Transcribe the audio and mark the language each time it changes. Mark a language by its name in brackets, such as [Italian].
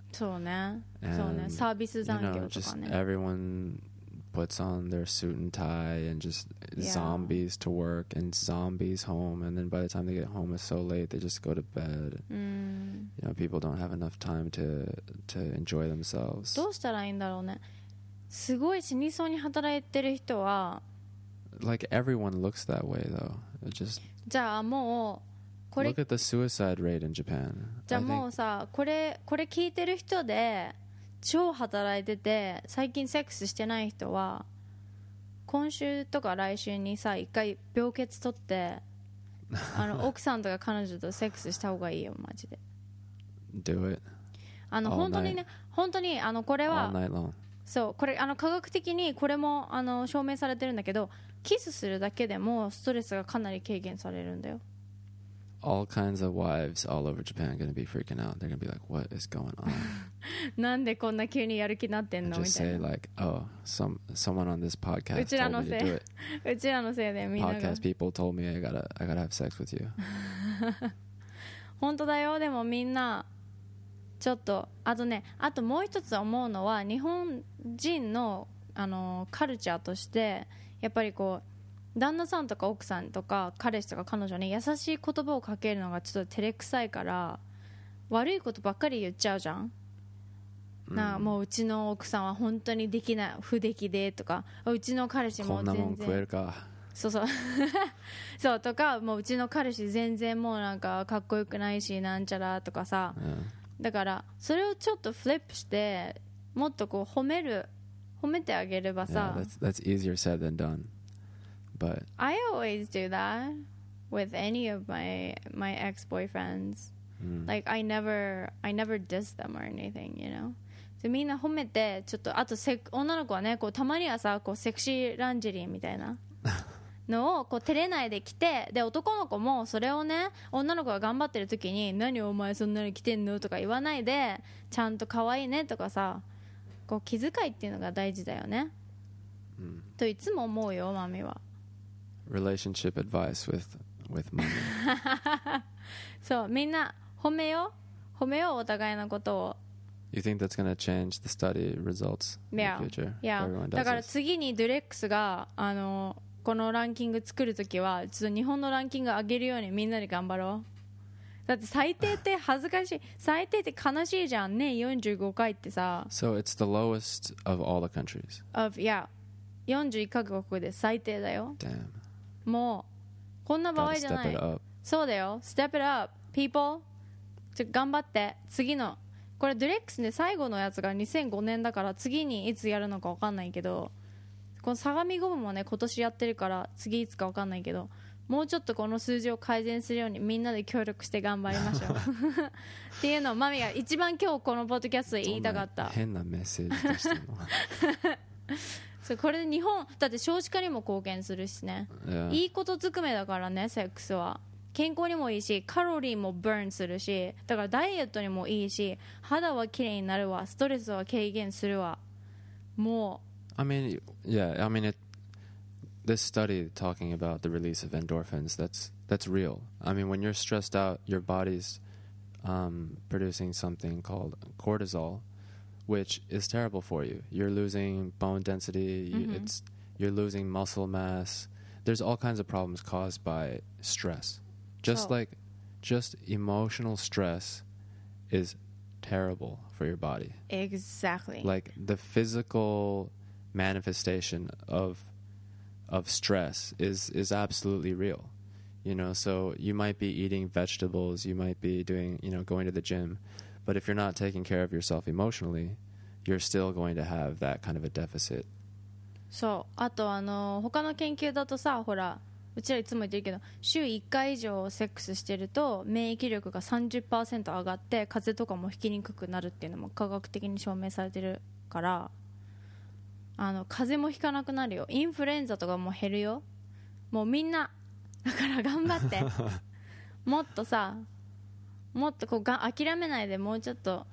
[Japanese] そうね。そうね。サービス残業とかね。 [English] Just everyone puts on their suit and tie and just zombies to work and zombies home, and then by the time they get home it's so late they just go to bed. You know, people don't have enough time to enjoy themselves. [Japanese] どうしたらいいんだろうね。すごい死にそうに働いてる人は、 [English] like everyone looks that way though. It just, [Japanese] じゃあもうこれ、 [English] look at the suicide rate in Japan. [Japanese] じゃあもうさ、これ聞いてる人で超働いてて最近セックスしてない人は、今週とか来週にさ一回病欠取って、あの奥さんとか彼女とセックスした方がいいよマジで。 [English] Do it. [Japanese] あの本当にね、本当にあのこれは、 [English] all night long. [Japanese] そう、これあの科学的にこれもあの証明されてるんだけど、キスするだけでもストレスがかなり軽減されるんだよ。 [English] All kinds of wives all over Japan are going to be freaking out. They're going to be like, what is going on? [Japanese] なんでこんな急にやる気になってんの？ [English] Just say like, oh, someone on this podcast [Japanese] うちらのせい、 [English] told me to do it. [Japanese] うちらのせいでみんなが。 [English] Podcast people told me I gotta have sex with you. [Japanese] 本当だよ。でもみんなちょっと、あとね、あともう一つ思うのは、日本人のあのカルチャーとしてやっぱりこう、旦那さんとか奥さんとか彼氏とか彼女に優しい言葉をかけるのがちょっと照れくさいから、悪いことばっかり言っちゃうじゃん。なあ、もううちの奥さんは本当にできない、不出来でとか、うちの彼氏も全然こんなもん食えるか、そうそうそうとか、もううちの彼氏全然もうなんかかっこよくないしなんちゃらとかさ、だからそれをちょっとフリップしてもっとこう褒める、褒めてあげればさ、 [English] that's easier said than done. But I always do that with any of my ex-boyfriends. Like I never diss them or anything, you know. [Japanese] So みんな褒めて、ちょっとあと女の子はね、こうたまにはさ、こうセクシーランジェリーみたいなのをこう照れないで着て、で男の子もそれをね、女の子が頑張ってる時に、何お前そんなに着てんのとか言わないで、ちゃんと可愛いねとかさ、こう気遣いっていうのが大事だよね、といつも思うよマミは。 [English] Relationship advice with mommy. [Japanese] そう、みんな褒めよ、褒めよお互いのことを。 [English] You think that's gonna change the study results in the future? Yeah. [Japanese] だから次にドレックスがあのこのランキング作るときは、ちょっと日本のランキング上げるようにみんなで頑張ろう。だって最低って恥ずかしい、最低って悲しいじゃんね、45回ってさ。 [English] So it's the lowest of all the countries. Of yeah, [Japanese] 41カ国で最低だよ。 [English] Damn. [Japanese] もうこんな場合じゃない。 [English] Step it up. [Japanese] そうだよ。 [English] Step it up, people. [Japanese] ちょ頑張って次の。これドレックスで最後のやつが2005年だから、次にいつやるのか分かんないけど、この相模ゴムもね今年やってるから次いつか分かんないけど、もうちょっとこの数字を改善するようにみんなで協力して頑張りましょうっていうのをマミが一番今日このポッドキャストで言いたかった。変なメッセージ出してるのこれ日本だって少子化にも貢献するしね、 [English] yeah. [Japanese] いいことずくめだからね、セックスは健康にもいいし、カロリーもバーンするし、だからダイエットにもいいし、肌はきれいになるわ、ストレスは軽減するわ、もう [English] I mean, yeah, I mean it, this study talking about the release of endorphins, that's real. I mean, when you're stressed out, your body's producing something called cortisol, which is terrible for you. You're losing bone density. You're losing muscle mass. There's all kinds of problems caused by stress. Just emotional stress is terrible for your body. Exactly. Like the physical manifestation of stress is absolutely real. You know, so you might be eating vegetables, you might be doing, you know, going to the gym, but if you're not taking care of yourself emotionally, you're still going to have that kind of a deficit. [Japanese] そう、あとあの他の研究だとさ、ほらうちらいつも言ってるけど、週1回以上セックスしてると免疫力が 30% 上がって風邪とかも引きにくくなるっていうのも科学的に証明されてるから、あの風邪も引かなくなるよ、インフルエンザとかも減るよ、もうみんなだから頑張ってもっとさ、もっとこうが諦めないで、もうちょっと、